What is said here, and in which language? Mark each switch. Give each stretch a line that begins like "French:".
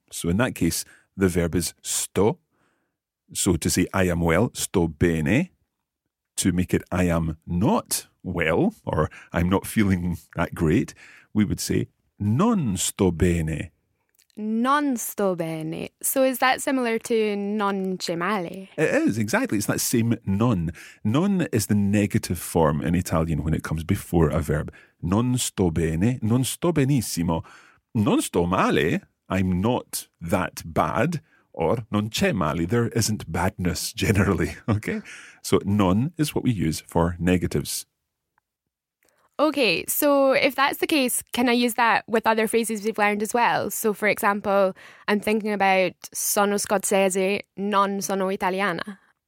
English: So in that case, the verb is sto. So to say I am well,
Italian: sto bene,
English: to make it I am not well, or I'm not feeling that great, we would say
Italian: non sto bene. Non sto bene.
English: So is that similar to
Italian: non c'è male?
English: It is, exactly. It's that same non. Non is the negative form in Italian when it comes before a verb.
Italian: Non sto bene, non sto benissimo, non sto male.
English: I'm not that bad, or
Italian: non c'è male,
English: there isn't badness generally, okay? So non is what we use for negatives. Okay, so if that's the case, can I use that with other phrases we've learned as well? So for example, I'm thinking about
Italian: sono scozzese, non sono italiana.